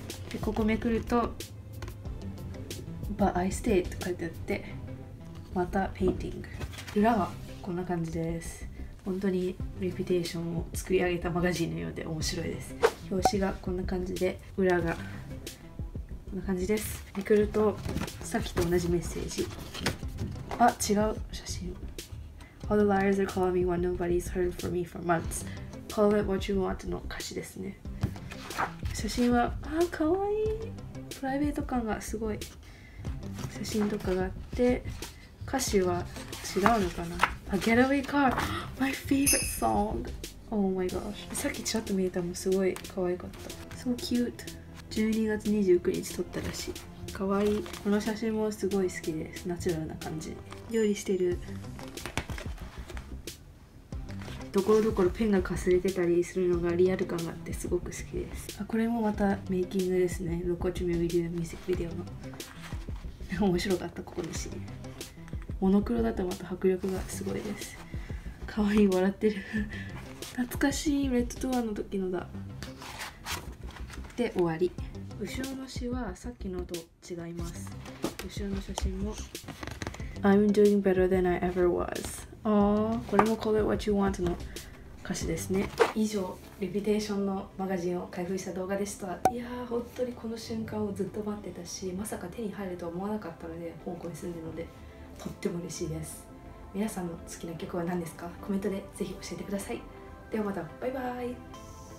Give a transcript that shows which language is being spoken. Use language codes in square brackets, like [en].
[ja] でここめくると [en] But I stay [ja] って書いてあって、また Painting、 裏はこんな感じです。本当に Reputation を作り上げたマガジンのようで面白いです。表紙がこんな感じで、裏がこんな感じです。めくるとさっきと同じメッセージ、あ、違う写真。 [en] All the liars are calling me when nobody's heard from me for months. Call it what you want [ja] の歌詞ですね。写真は、あ、かわいい。プライベート感がすごい写真とかがあって、歌詞は違うのかな。 [en] A getaway car, my favorite song. Oh my gosh. [ja] さっきちらっと見えたのもすごいかわいかった。 [en] So cute. [ja] 12月29日撮ったらしい。かわいい。この写真もすごい好きです。ナチュラルな感じ。料理してる。ところどころペンがかすれてたりするのがリアル感があってすごく好きです。あ、これもまたメイキングですね。6月目ミュージックビデオの面白かった。ここにし、モノクロだとまた迫力がすごいです。かわいい、笑ってる。懐かしい、レッドドアの時のだ。で終わり。後ろの詩はさっきのと違います。後ろの写真も [en] I'm doing better than I ever was。 [ja] あー、これも Call it what you want の歌詞ですね。以上、レピュテーションのマガジンを開封した動画でした。いやー、本当にこの瞬間をずっと待ってたし、まさか手に入るとは思わなかったので、香港に住んでるのでとっても嬉しいです。皆さんの好きな曲は何ですか？コメントでぜひ教えてください。ではまた、バイバイ。